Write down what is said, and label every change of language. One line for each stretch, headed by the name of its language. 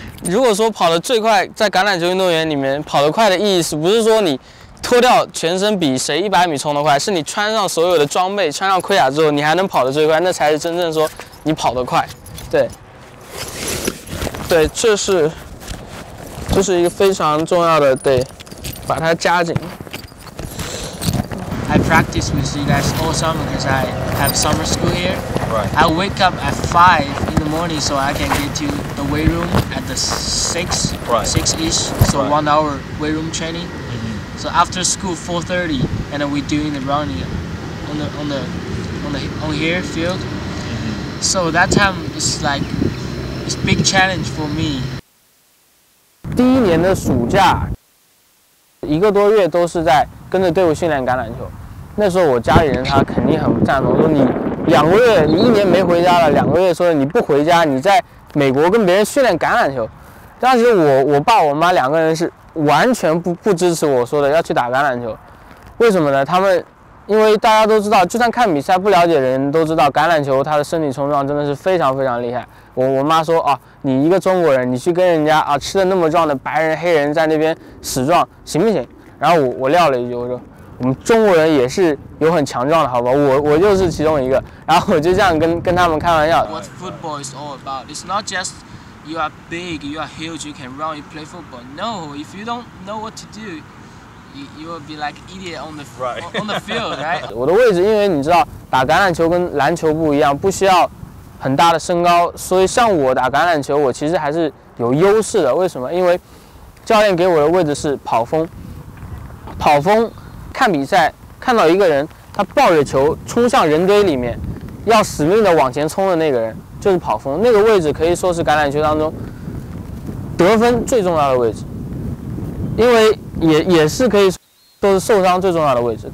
Chinese: 如果说跑得最快，在橄榄球运动员里面跑得快的意义是不是说你脱掉全身比谁100米冲得快，是你穿上所有的装备，穿上盔甲之后，你还能跑得最快，那才是真正说你跑得快。对，对，这是一个非常重要的，对，把它加紧。
English: I practice with you guys all summer because I have summer school here. Right. I wake up at 5 in the morning so I can get to the weight room at the 6, right. 6-ish, so right. 1 hour weight room training. Mm-hmm. So after school, 4:30, and then we're doing the running on here field. Mm-hmm. So that time is like, it's big challenge for me.
Chinese: 第一年的暑假一个多月都是在跟着队伍训练橄榄球，那时候我家里人他肯定很赞同，说你两个月，你一年没回家了，两个月说你不回家，你在美国跟别人训练橄榄球。当时我爸我妈两个人是完全不支持我说的要去打橄榄球。为什么呢？他们因为大家都知道，就算看比赛不了解的人都知道橄榄球他的身体冲撞真的是非常非常厉害。我妈说啊，你一个中国人，你去跟人家啊吃的那么壮的白人黑人在那边死撞行不行？然后我撂了一句，我说我们中国人也是有很强壮的，好吧，我就是其中一个。然后我就这样跟他们开玩笑。
English: What football is all about? It's not just you are big, you are huge, you can run, you play football. No, if you don't know what to do, you will be like idiot on the field, right?
Chinese: 我的位置，因为你知道打橄榄球跟篮球不一样，不需要很大的身高，所以像我打橄榄球我其实还是有优势的。为什么？因为教练给我的位置是跑锋。看比赛看到一个人他抱着球冲向人堆里面要死命的往前冲的那个人就是跑锋，那个位置可以说是橄榄球当中得分最重要的位置，因为也是可以说是受伤最重要的位置。